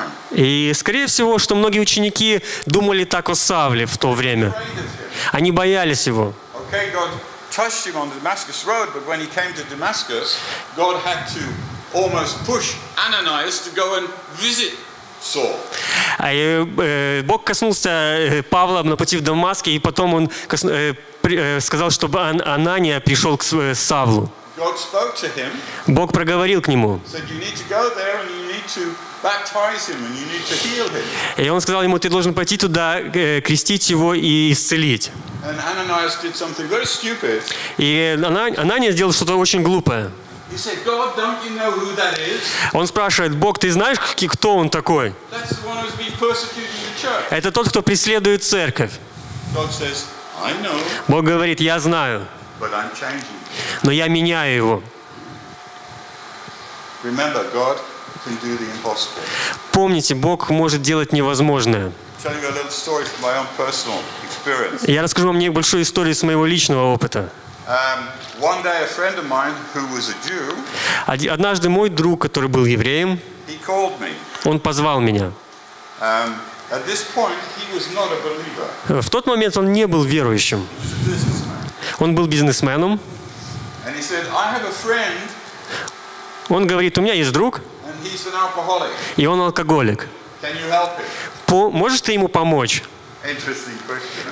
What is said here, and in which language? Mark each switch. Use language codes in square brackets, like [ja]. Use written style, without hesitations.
[ru] И, скорее всего, что многие ученики думали так о Савле в то время. Они боялись его. [en] Touched him on the Damascus road, but when he came to Damascus, God had to almost push Ananias to go and visit Saul. [ru] А Бог коснулся Павла на пути в Дамаске, и потом он сказал, чтобы Анания пришел к Савлу. [en] God spoke to him. [ru] Бог проговорил к нему. [en] Said you need to go there and you need to baptize him and you need to heal him. [ru] И он сказал ему, ты должен пойти туда, крестить его и исцелить. [en] And Ananias did something very stupid. [ru] И Ананиас сделал что-то очень глупое. [en] He said, God, don't you know who that is? [ru] Он спрашивает, Бог, ты знаешь, кто он такой? [en] That's the one who's been persecuting the church. [ru] Это тот, кто преследует церковь. [en] God says, I know. [ru] Бог говорит, я знаю. [en] But I'm changing. [ru] Но я меняю его. [en] Remember, God can do the impossible. [ru] Помните, Бог может делать невозможное. [en] Telling you a little story from my own personal experience. [ru] Я расскажу вам небольшую историю с моего личного опыта. [en] One day a friend of mine who was a Jew. [ru] Однажды мой друг, который был евреем, [en] he called me. [ru] Он позвал меня. [en] At this point he was not a believer. [ru] В тот момент он не был верующим. Он был бизнесменом. [en] And he said, I have a friend. [ru] Он говорит, у меня есть друг. [en] And he's an alcoholic. [ru] И он алкоголик. [en] Can you help him? [ru] Можешь ты ему помочь? [en] Interesting question.